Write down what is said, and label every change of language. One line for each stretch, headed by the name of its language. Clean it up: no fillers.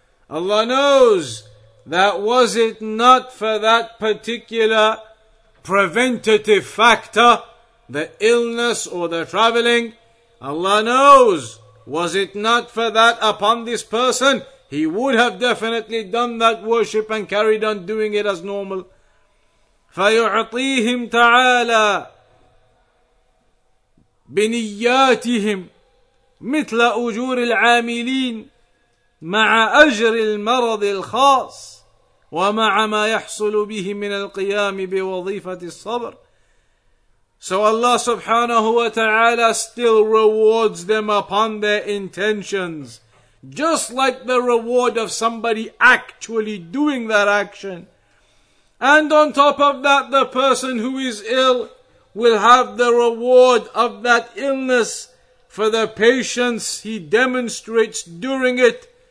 English: Allah knows that was it not for that particular preventative factor, the illness or the traveling, Allah knows, was it not for that upon this person, he would have definitely done that worship and carried on doing it as normal. فَيُعْطِيهِمْ تَعَالَى
Arabic: بنياتهم مثل أجور العاملين مع أجر المرض الخاص ومع ما يحصل به من القيام بوظيفة الصبر.
English: So Allah subhanahu wa ta'ala still rewards them upon their intentions, just like the reward of somebody actually doing that action. And on top of that, the person who is ill will have the reward of that illness for the patience he demonstrates during it.